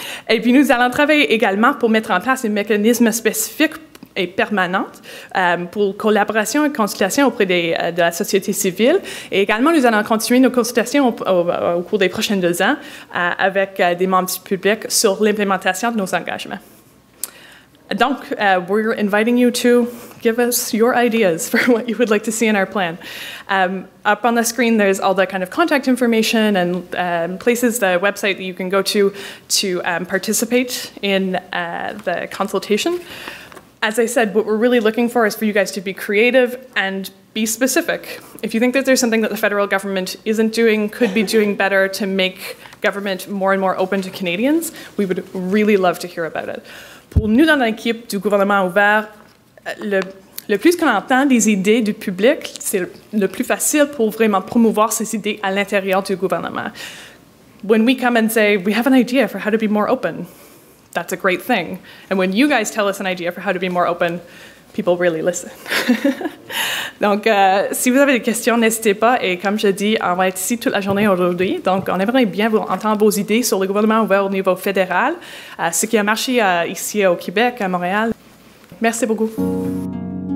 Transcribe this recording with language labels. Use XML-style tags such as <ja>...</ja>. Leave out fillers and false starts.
<fr>Et puis, nous allons travailler également pour mettre en place un mécanisme spécifique et permanent pour collaboration et consultation auprès de la société civile. Et également, nous allons continuer nos consultations au cours des prochaines 2 ans avec des membres du public sur l'implémentation de nos engagements.</fr> <en>Donc, we're inviting you to give us your ideas for what you would like to see in our plan. Up on the screen, there's all the kind of contact information and places, the website that you can go to participate in the consultation. As I said, what we're really looking for is for you guys to be creative and be specific. If you think that there's something that the federal government isn't doing, could be doing better to make government more and more open to Canadians, we would really love to hear about it.</en> <fr>Pour nous dans l'équipe du gouvernement ouvert, le plus qu'on entend des idées du public, c'est le plus facile pour vraiment promouvoir ces idées à l'intérieur du gouvernement.</fr> <en>When we come and say, we have an idea for how to be more open, that's a great thing. And when you guys tell us an idea for how to be more open, people really listen.</en> <fr>Donc, si vous avez des questions, n'hésitez pas. Et comme je dis, on va être ici toute la journée aujourd'hui. Donc, on aimerait bien vous entendre vos idées sur le gouvernement ouvert au niveau fédéral, ce qui a marché ici au Québec, à Montréal. Merci beaucoup.</fr>